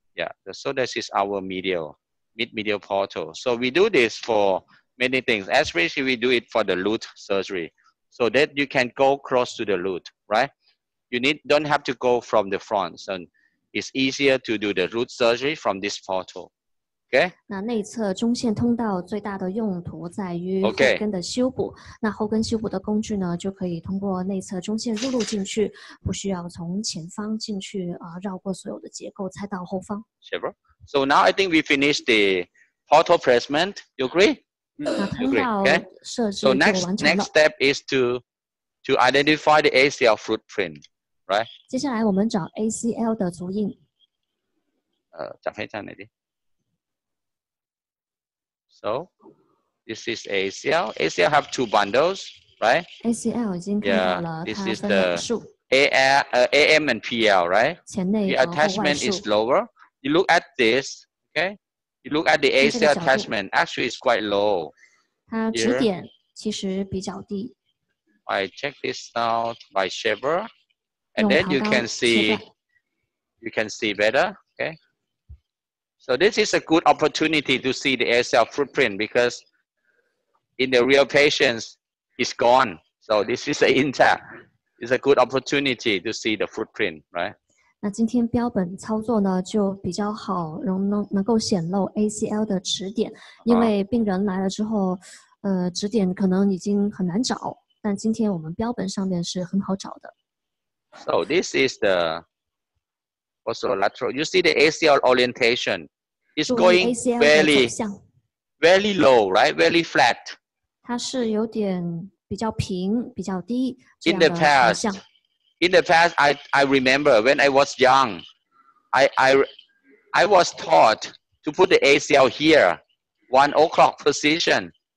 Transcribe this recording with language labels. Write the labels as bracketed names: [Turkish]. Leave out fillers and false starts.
[English] Yeah. So this is our mid-medial portal. So we do this for many things, especially we do it for the root surgery, so that you can go close to the root, right? You don't have to go from the front, so it's easier to do the root surgery from this portal, okay? [Chinese] 那内侧中线通道最大的用途在于后跟的修补，那后跟修补的工具呢，就可以通过内侧中线入路进去，不需要从前方进去，绕过所有的结构，才到后方。 [English] Sure. So now I think we finished the portal placement, you agree? Okay. So next step is to identify the ACL footprint, right? [Chinese] 接下来我们找 ACL 的足印。找非常哪里? [English] So this is ACL. ACL have two bundles, right? [Chinese] ACL 已经看到了，它分两处。 [English] This is the AM and PL, right? [Chinese] 前内和外束。 [English] The attachment is lower. You look at this, okay? You look at the ACL attachment, actually it's quite low. [Chinese] 它指点其实比较低。 [English] I check this out by shaver, and then you can see better, okay? So this is a good opportunity to see the ACL footprint because in the real patients, it's gone. So this is an intact. It's a good opportunity to see the footprint, right? [Chinese] 那今天标本操作呢，就比较好能够显露 ACL 的指点，因为病人来了之后，指点可能已经很难找，但今天我们标本上面是很好找的。 [English] So this is the also lateral. You see the ACL orientation is going very low, right? Very flat. [Chinese] 它是有点比较平、比较低这样的方向。 [English] In the past. In the past, I remember when I was young, I was taught to put the ACL here, 1 o'clock position.